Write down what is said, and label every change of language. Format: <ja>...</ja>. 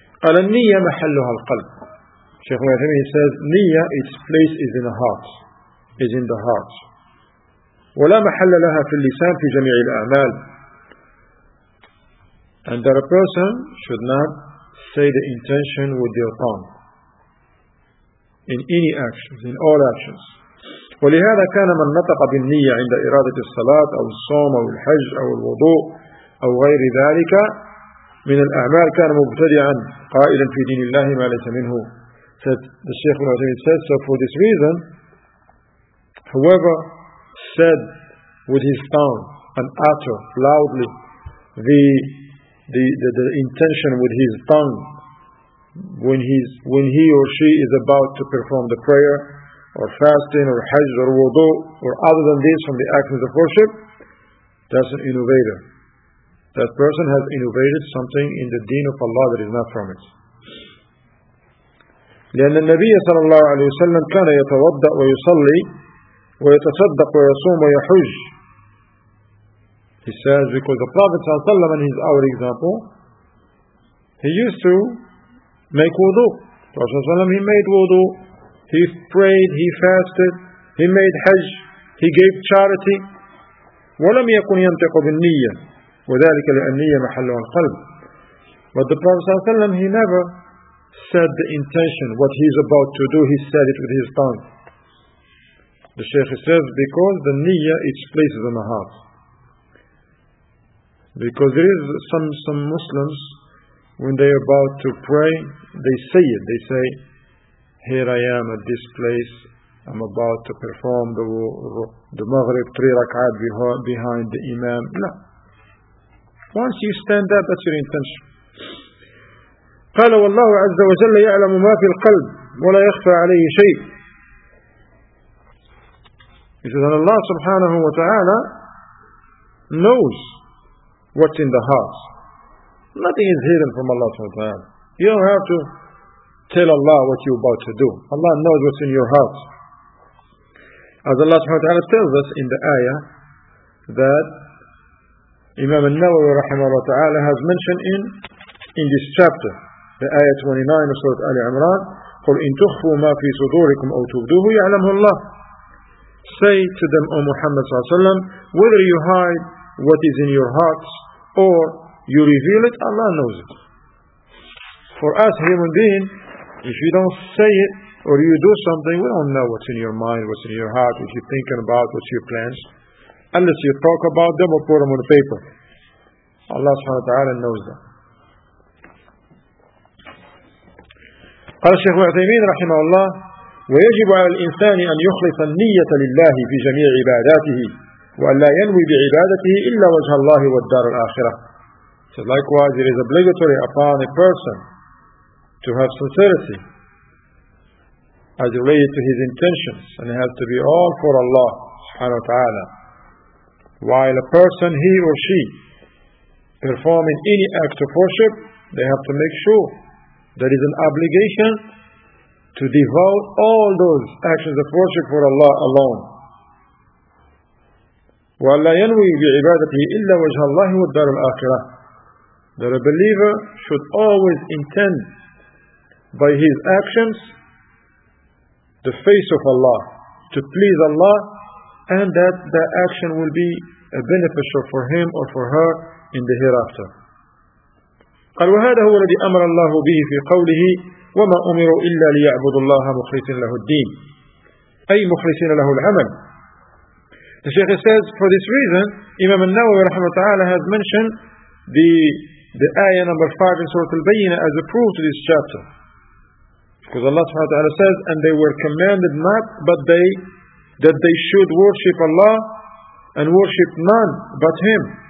<ar>Al-Niyya mahalluha al-Qalb.</ar> <en>Shaykh al-Rahim, he says, Niyya, its place is in the heart, is in the heart.</en> <ar>Wala mahalla laha fil lisan fi jami'i al-A'mal.</ar> <en>And that a person should not say the intention with their tongue. In any actions, in all actions.</en> <ar>ولهذا كان من نطق بالنية عند إرادة الصلاة أو الصوم أو الحج أو الوضوء أو غير ذلك من الأعمال كان مبتدعا قائلا في دين الله ما ليس منه.</ar> <en>Said the Shaykh ibn Uthaymeen, said, so for this reason, whoever said with his tongue and utter loudly the intention with his tongue, when he or she is about to perform the prayer or fasting or hajj or wudu or other than this from the actions of worship, that's an innovator. That person has innovated something in the deen of Allah that is not from it.</en> <ar>لأن النبي صلى الله عليه وسلم كان يتوضأ ويصلي ويتصدق ويصوم ويحج.</ar> <en>He says, because the Prophet</en> <ar>صلى الله عليه وسلم,</ar> <en>and he's our example, he used to make wudu. Prophet, he made wudu, he prayed, he fasted, he made hajj, he gave charity.</en> <ar>وَلَمْ يَكُنْ يَنْتَقُ بِالنِّيَّةِ وَذَلِكَ لِأَنِّيَّ مَحَلُّهَا الْقَلْبِ.</ar> <en>But the Prophet, he never said the intention, what he's about to do, he said it with his tongue. The Shaykh says, because the niyyah, its place is in the heart. Because there is some Muslims, when they are about to pray, they say it. They say, here I am at this place, I'm about to perform the Maghrib, 3 rak'at behind the Imam. No. Once you stand up, that's your intention.</en> <ar>قال والله عز وجل يعلم ما في القلب ولا يخفى عليه شيء.</ar> <en>He says, and Allah subhanahu wa ta'ala knows what's in the heart. Nothing is hidden from Allah subhanahu wa ta'ala. You don't have to tell Allah what you're about to do. Allah knows what's in your heart. As Allah subhanahu wa ta'ala tells us in the ayah that Imam al-Nawawi rahimahullah ta'ala has mentioned in this chapter, the ayah 29 of Surah Ali Imran,</en> <ar>قُلْ إِن تُخْفُوا مَا فِي صُدُورِكُمْ أَوْ تُبْدُوهُ يَعْلَمُهُ اللَّهُ.</ar> <en>Say to them, O Muhammad sallallahu alayhi wa sallam, whether you hide what is in your hearts or you reveal it, Allah knows it. For us human beings, if you don't say it or you do something, we don't know what's in your mind, what's in your heart, what you're thinking about, what's your plans, unless you talk about them or put them on the paper. Allah subhanahu wa ta'ala knows them.</en> <ar>قال الشيخ العثيمين رحمه الله ويجب على الإنسان أن يخلص النية لله في جميع عباداته وأن لا ينوي بعبادته إلا وجه الله والدار الآخرة.</ar> <en>So likewise, it is obligatory upon a person to have sincerity as related to his intentions, and it has to be all for Allah subhanahu wa ta'ala. While a person, he or she, performing any act of worship, they have to make sure there is an obligation to devote all those actions of worship for Allah alone.</en> <ar>وَلَا يَنْوِي بِعِبَادَتِهِ إِلَّا وَجْهَ اللَّهِ وَالدَّارُ الْآخِرَةِ.</ar> <en>That a believer should always intend by his actions the face of Allah, to please Allah, and that the action will be a beneficial for him or for her in the hereafter.</en> <ar>قال وهذا هو الذي أمر الله به في قوله وما أمروا إلا ليعبدوا الله مخلصين له الدين أي مخلصين له العمل.</ar> <en>The Shaykh says, for this reason Imam al-Nawawi</en> <ar>رحمه تعالى</ar> <en>has mentioned the ayah number 5 in Surah Al-Bayyinah as a proof to this chapter, because Allah subhanahu wa ta'ala says, and they were commanded not but they that they should worship Allah and worship none but Him.</en>